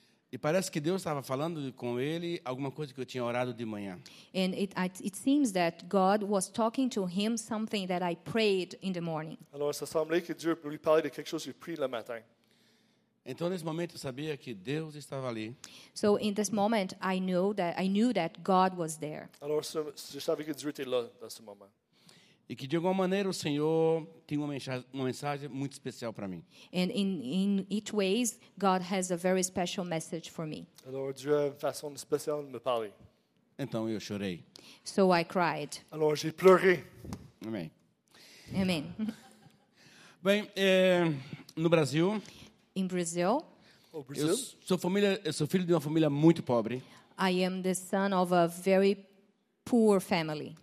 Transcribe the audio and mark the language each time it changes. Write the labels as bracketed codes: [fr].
[pt] E parece que Deus estava falando com ele alguma coisa que eu tinha orado de manhã. [en] And it seems that God was talking to him something that I prayed in the morning. [fr] Alors, ça semblait que Dieu lui parlait de quelque chose que je prie le matin. [pt] Então, nesse momento, eu sabia que Deus estava ali. [en] So, in this moment, I knew that God was there. [fr] Alors, je savais que Dieu était là, dans ce moment. [pt] E que de alguma maneira o Senhor tem uma mensagem muito especial para mim. [en] And in each ways, God has a very special message for me. [fr] Alors, Dieu a [pt] uma [fr] façon [pt] especial [fr] de me parler. [pt] Então eu chorei. [en] So I cried. [fr] Alors, j'ai pleuré. [pt] Amém. Amém. Bem, no Brasil. [en] In Brazil. [pt] Eu sou filho de uma família muito pobre. [en] I am the son of a very poor family.